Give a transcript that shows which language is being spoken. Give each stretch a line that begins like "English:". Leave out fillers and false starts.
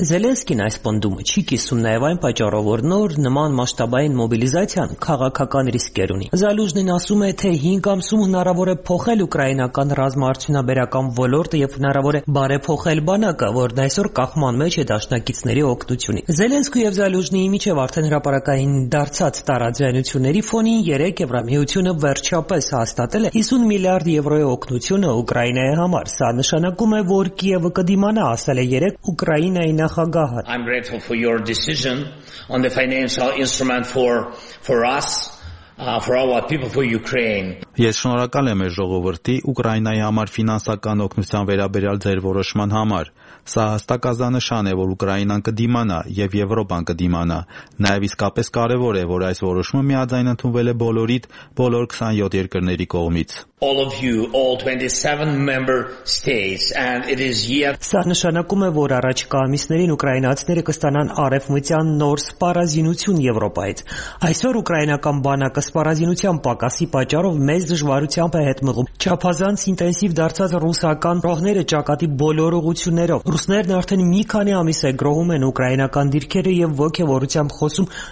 Armenian: Զելենսկին այս պնդումը չի կիսում նաեւ այն պատճառով, որ նոր նման մասշտաբային մոբիլիզացիա քաղաքական ռիսկեր ունի։ Զալյուժնին ասում է, թե 5 ամսում հնարավոր է փոխել ուկրաինական ռազմաարդյունաբերական ոլորտը եւ հնարավոր է բարեփոխել բանակը, որն այսօր կախման մեջ է դաշնակիցների օգտությունի։ Զելենսկու եւ Զալյուժնիի միջև արդեն հրապարակային դարձած տարաձայնությունների ֆոնին 3 Եվրամիությունը վերջապես հաստատել է 50 միլիարդ եվրոյի օգնությունը Ուկրաինայի համար։ Սա նշանակում է, որ Կիևը կդիմանա, ասել է 3 Ուկրաինայի նախագահը։
English: I'm grateful for your decision on the financial instrument for all our people, for Ukraine.
Armenian: Ես շնորհակալ եմ ժողովրդի Ուկրաինայի համար ֆինանսական օգնության վերաբերյալ ձեր որոշման համար։ Սա հաստակազանշան է, որ Ուկրաինան կդիմանա եւ Եվրոպան կդիմանա։ Նաեւ իսկապես կարեւոր է, որ այս որոշումը միաձայն ընդունվել է բոլորիդ, բոլոր 27 երկրների կողմից։
English: All of you, all 27 member states, and it is yet.
Armenian: Սա նշանակում է, որ առաջկա ամիսներին ուկրաինացիները կստանան արևմտյան նոր սպառազինություն Եվրոպայից։ Այսօր ուկրաինական բանակը սպառազինության պակասի պատճառով մեծ դժվարությամբ է հետ մղում չափազանց ինտենսիվ դարձած ռուսական ռողները ճակատի բոլոր ուղություններով։ Ռուսներն արդեն մի քանի ամիս է գրողում են ուկրաինական դիրքերը եւ ոգեվորությամբ խոսում